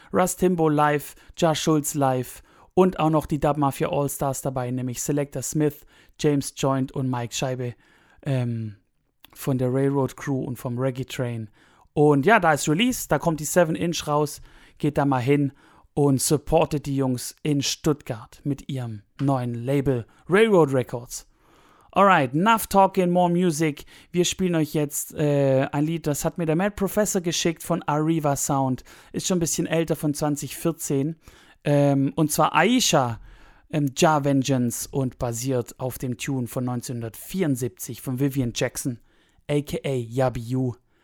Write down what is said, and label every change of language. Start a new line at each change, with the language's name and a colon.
German: Russ Timbo live, Josh Schulz live und auch noch die Dub Mafia All-Stars dabei, nämlich Selector Smith, James Joint und Mike Scheibe. Von der Railroad Crew und vom Reggae Train. Und ja, da ist Release, da kommt die 7-Inch raus, geht da mal hin und supportet die Jungs in Stuttgart mit ihrem neuen Label Railroad Records.
English: Alright, enough talking, more music.
German: Wir spielen euch jetzt ein Lied, das hat mir der Mad Professor geschickt von Arriva Sound. Ist schon ein bisschen älter, von 2014. Und zwar Aisha. Jah Vengeance, und basiert auf dem Tune von 1974 von Vivian Jackson, a.k.a. Yabby U.